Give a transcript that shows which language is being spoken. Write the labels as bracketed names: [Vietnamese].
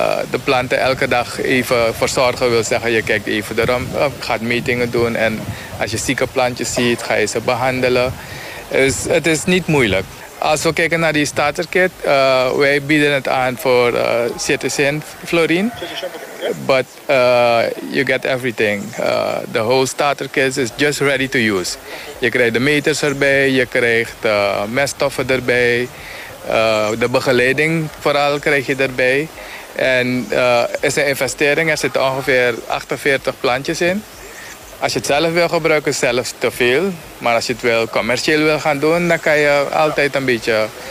[Dutch] De planten elke dag even verzorgen wil zeggen, je kijkt even erom, gaat metingen doen en als je zieke plantjes ziet, ga je ze behandelen. Dus het is niet moeilijk. Als we kijken naar die starter kit, wij bieden het aan voor citizen florine. [English] But you get everything. The whole starter kit is just ready to use. [Dutch] Je krijgt de meters erbij, je krijgt meststoffen erbij, de begeleiding vooral krijg je erbij. En is een investering, er zitten ongeveer 48 plantjes in. Als je het zelf wil gebruiken, is het zelfs te veel. Maar als je het wil, commercieel wil gaan doen, dan kan je altijd een beetje.